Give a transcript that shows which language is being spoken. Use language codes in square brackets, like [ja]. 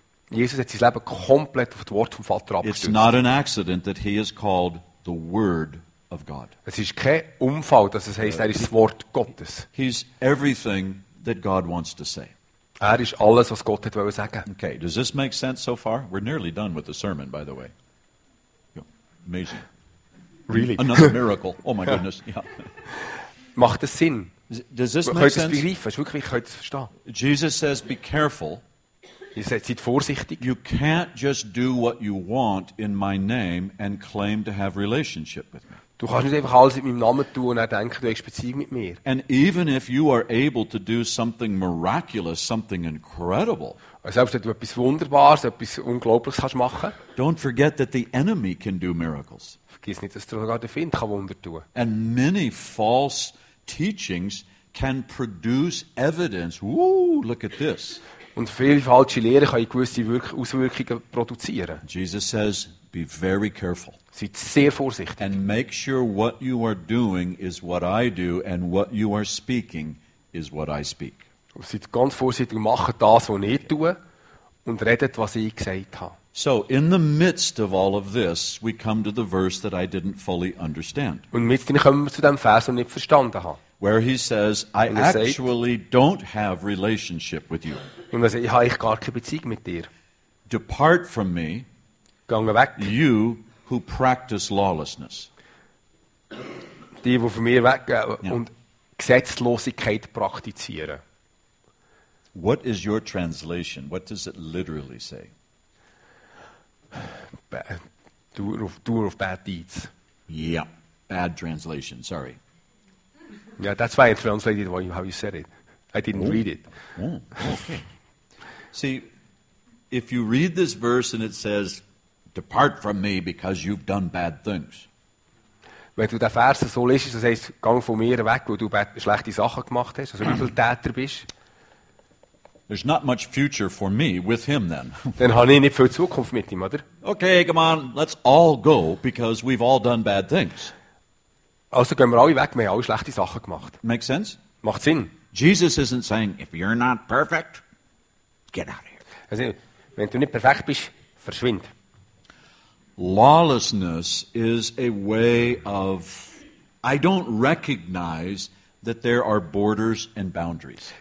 [de] Jesus hat sein Leben komplett auf das Wort vom Vater abgestützt. [en] It's not an accident that he is called the Word. Of God. [de] Es ist kein Unfall, dass es heißt, er ist das Wort Gottes. [en] He's everything that God wants to say. [de] Er ist alles, was Gott hat wollen sagen. [en] Okay, does this make sense so far? We're nearly done with the sermon, by the way. Yeah. Amazing. Really? Another miracle. Oh my goodness. Yeah. [de] Macht es Sinn? [en] Does this make sense? [de] Ich kann es begreifen. Ich kann es verstehen. [en] Jesus says, be careful. [de] Ihr seid vorsichtig. [en] You can't just do what you want in my name and claim to have relationship with me. [de] Du kannst nicht einfach alles in meinem Namen tun und denken, du hast Beziehung mit mir. [en] And even if you are able to do something miraculous, something incredible, [de] selbst wenn du etwas Wunderbares, etwas Unglaubliches kannst machen, [en] don't forget that the enemy can do miracles. [de] Vergiss nicht, dass du sogar der Feind kann Wunder tun. [en] And many false teachings can produce evidence. Woo, look at this. [de] Und viele falsche Lehren können gewisse Auswirkungen produzieren. [en] Jesus says, be very careful. [de] Seid sehr vorsichtig. [en] And make sure what you are doing is what I do and what you are speaking is what I speak. [de] Seid ganz vorsichtig, mache das, was ich tue und redet, was ich gesagt habe. [en] So, in the midst of all of this, we come to the verse that I didn't fully understand. [de] Und mittendrin kommen wir zu dem Vers, den ich nicht verstanden habe. [en] Where he says, I actually don't have relationship with you. [de] Und er sagt, ich habe gar keine Beziehung mit dir. [en] Depart from me, [de] gange weg. [en] You who practice lawlessness. [de] Die, die von mir weggehen und Gesetzlosigkeit praktizieren. [en] What is your translation? What does it literally say? Doer of bad deeds. Yeah, bad translation, sorry. Yeah, that's why I translated how you said it. I didn't read it. Okay. See, if you read this verse and it says, depart from me because you've done bad things. [de] Wenn du den Vers so liest, dann sagst du, geh von mir weg, wo du schlechte Sachen gemacht hast. Also wie viel Täter bist. [en] There's not much future for me with him then. [de] Dann habe ich nicht viel Zukunft mit ihm, oder? [en] Okay, come on, let's all go because we've all done bad things. [de] Also gehen wir alle weg, wir haben alle schlechte Sachen gemacht. [en] Makes sense? [de] Macht Sinn. [en] Jesus isn't saying, if you're not perfect, get out of here. [de] Also, wenn du nicht perfekt bist, verschwind. [en] Lawlessness is a way of, I don't recognize that there are borders and boundaries.